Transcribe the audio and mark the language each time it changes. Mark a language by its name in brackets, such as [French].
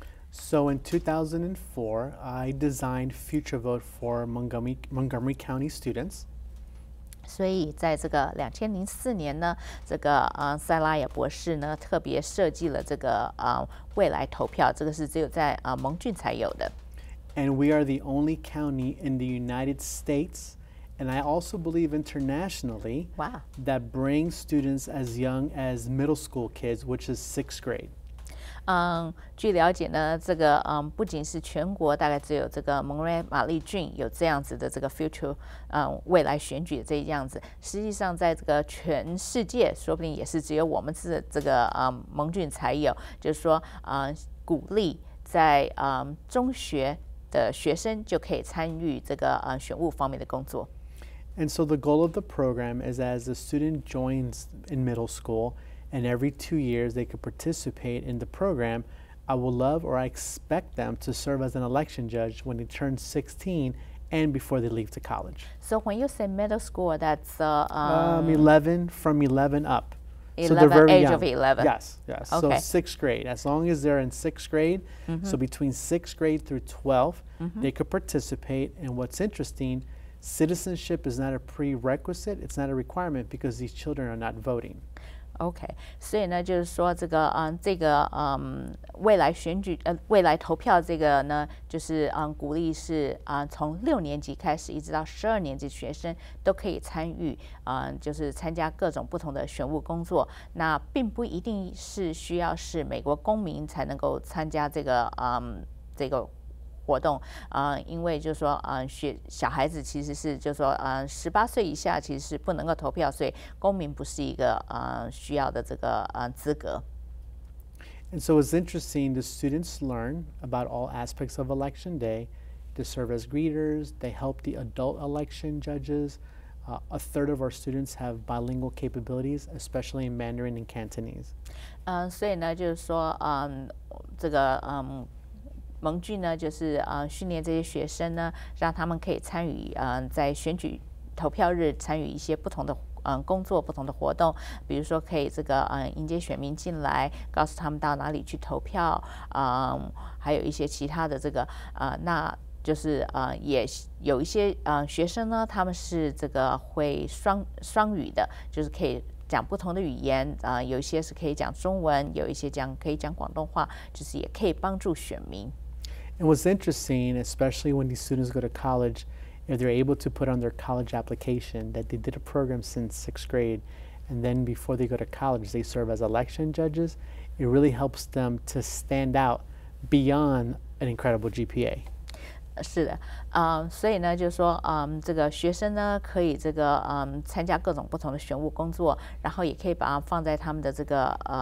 [English] So in 2004, I designed Future Vote for Montgomery County students. [Chinese] 所以在这个2004年呢，这个塞拉亚博士呢特别设计了这个未来投票，这个是只有在蒙郡才有的。 [English] And we are the only county in the United States, and I also believe internationally, wow. that brings students as young as middle school kids, which is sixth grade. [Chinese] 据了解呢，这个不仅是全国，大概只有这个蒙哥马利郡有这样子的这个 future 未来选举的这样子。实际上，在这个全世界，说不定也是只有我们是这个蒙郡才有。就是说，鼓励在中学的学生就可以参与这个选务方面的工作。 [English] And so the goal of the program is as a student joins in middle school. And every 2 years they could participate in the program, I will love or I expect them to serve as an election judge when they turn 16 and before they leave to college. So when you say middle school, that's 11, from 11 up. 11, so they're very age young. Of 11. Yes, yes. Okay. So sixth grade, as long as they're in sixth grade, mm-hmm. so between sixth grade through 12, mm-hmm. they could participate. And what's interesting, citizenship is not a prerequisite, it's not a requirement because these children are not voting. [Chinese] OK， 所以呢，就是说这个这个未来选举未来投票这个呢，就是鼓励是从六年级开始一直到十二年级学生都可以参与就是参加各种不同的选务工作。那并不一定是需要是美国公民才能够参加这个这个活动因为就是说小孩子其实是就是说十八岁以下其实是不能够投票，所以公民不是一个需要的这个资格。 [English] And so it's interesting, the students learn about all aspects of election day. They serve as greeters, they help the adult election judges. A third of our students have bilingual capabilities, especially in Mandarin and Cantonese. [Chinese] 所以呢，就是说这个盟军呢，就是训练这些学生呢，让他们可以参与在选举投票日参与一些不同的工作，不同的活动，比如说可以这个迎接选民进来，告诉他们到哪里去投票，还有一些其他的这个那就是也有一些学生呢，他们是这个会双语的，就是可以讲不同的语言有一些是可以讲中文，有一些讲可以讲广东话，就是也可以帮助选民。 [English] And what's interesting, especially when these students go to college, if they're able to put on their college application that they did a program since sixth grade, and then before they go to college, they serve as election judges, it really helps them to stand out beyond an incredible GPA. [Chinese] 是的，所以呢，就是说，这个学生呢，可以这个参加各种不同的选务工作，然后也可以把它放在他们的这个